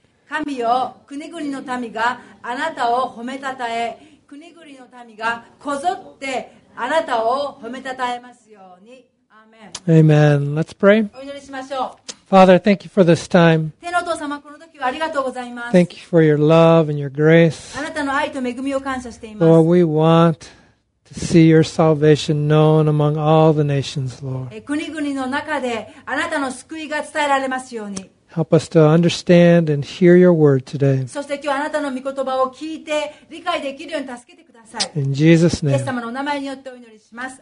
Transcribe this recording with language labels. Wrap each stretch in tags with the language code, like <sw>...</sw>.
<ja>神よ、国々の民があなたを褒めたたえ、国々の民がこぞってあなたを褒めたたえますように。アーメン。</ja> <en>Amen. Let's pray.</en> <ja>お祈りしましょう。</ja> <en>Father, thank you for this time.</en> <ja>天のお父様、この時はありがとうございます。</ja> <en>Thank you for your love and your grace.</en> <ja>あなたの愛と恵みを感謝しています。</ja> <en>Lord, we wantSee your salvation known among all the nations, Lord.</en> <ja>国々の中であなたの救いが伝えられますように。</ja> <en>Help us to understand and hear your word today.</en> <ja>そして今日あなたの御言葉を聞いて理解できるように助けてください。</ja> <en>In Jesus' name.</en> <ja>イエス様のお名前によってお祈りします。</ja>